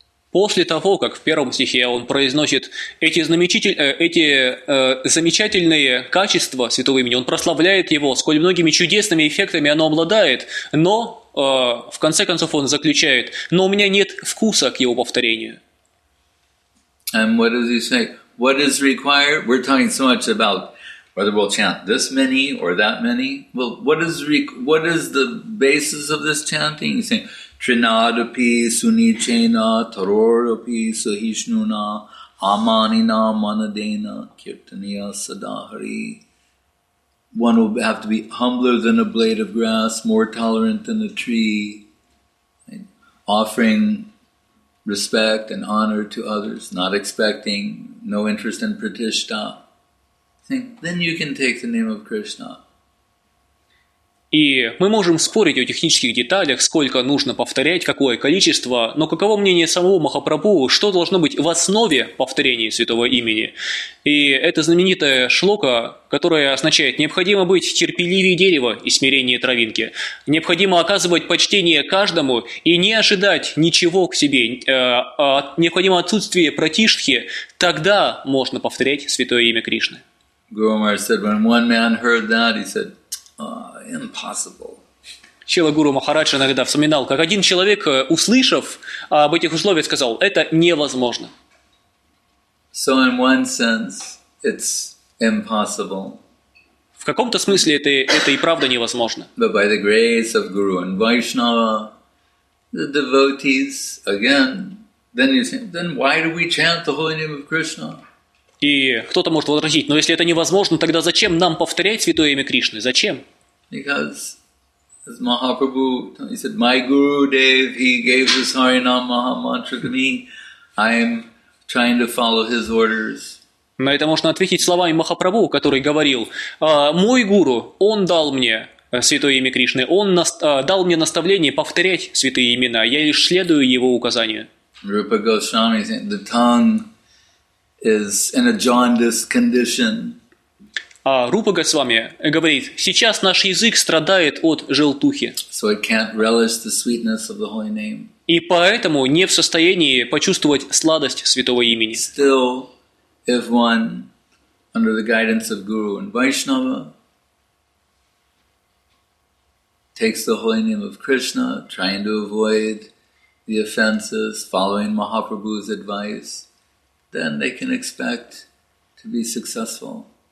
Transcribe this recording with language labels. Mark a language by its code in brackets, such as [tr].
[ru] После того, как в первом стихе он произносит эти замечательные качества святого имени, он прославляет его, сколь многими чудесными эффектами оно обладает, но в конце концов он заключает, но у меня нет вкуса к его повторению. [en] And what does he say? What is required? We're talking so much about whether we'll chant this many or that many. Well, what is the basis of this chanting? He's saying, [sa] Trinadapi sunichena tarorapi sahishnuna amanina manadena kirtaniya sadahari. [en] One will have to be humbler than a blade of grass, more tolerant than a tree, offering respect and honor to others, not expecting, no interest in pratishtha. Think, then you can take the name of Krishna. [ru] И мы можем спорить о технических деталях, сколько нужно повторять, какое количество, но каково мнение самого Махапрабху, что должно быть в основе повторения святого имени? И это знаменитая шлока, которая означает «необходимо быть терпеливее дерева и смиреннее травинки», «необходимо оказывать почтение каждому и не ожидать ничего к себе», «необходимо отсутствие пратиштхи, тогда можно повторять святое имя Кришны». [en] Guru Maharaj said, when one man heard that, he said, impossible. [ru] Шрила Гуру Махарадж иногда вспоминал, как один человек, услышав об этих условиях, сказал, это невозможно. [en] So in one sense, it's impossible. [ru] В каком-то смысле это и правда невозможно. [en] But by the grace of Guru and Vaishnava, the devotees, again, then why do we chant the holy name of Krishna? [ru] И кто-то может возразить, но если это невозможно, тогда зачем нам повторять святое имя Кришны? Зачем? [en] Because, as Mahaprabhu, he said, my Guru Dev, he gave this Harinam Mahamantra to me. I am trying to follow his orders. [ru] На это можно ответить словами Махапрабху, который говорил, мой Гуру, он дал мне святое имя Кришны, он дал мне наставление повторять святые имена, я лишь следую его указанию. [en] Rupa Goswami, the tongue is in a jaundiced condition. [ru] А Рупа Госвами говорит, сейчас наш язык страдает от желтухи. [en] So it can't relish the sweetness of the holy name. [ru] И поэтому не в состоянии почувствовать сладость святого имени. [en] Still, if one, under the guidance of Guru and Vaishnava, takes the holy name of Krishna, trying to avoid the offenses, following Mahaprabhu's advice, then they can expect to be successful.